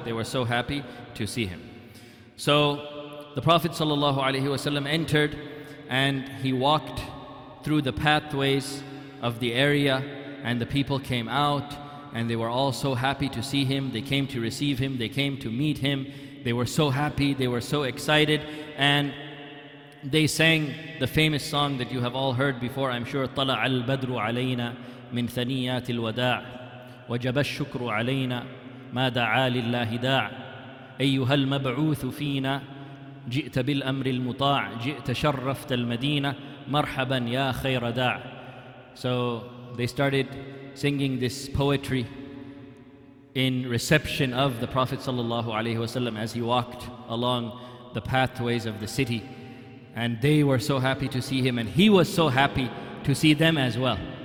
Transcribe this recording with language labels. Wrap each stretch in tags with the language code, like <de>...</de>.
<en>They were so happy to see him. So the Prophet sallallahu alayhi wa sallam entered and he walked through the pathways of the area, and the people came out and they were all so happy to see him. They came to receive him. They came to meet him. They were so happy. They were so excited. And they sang the famous song that you have all heard before, I'm sure.</en> <ar>طلع البدر علينا من ثنيات الوداع وجب الشكر علينا ما دعا لله داع أيها المبعوث فينا جئت بالأمر المطاع جئت شرفت المدينة مرحبا يا خير داع.</ar> <en>So they started singing this poetry in reception of the Prophet sallallahu alayhi wasallam as he walked along the pathways of the city. And they were so happy to see him, and he was so happy to see them as well.</en>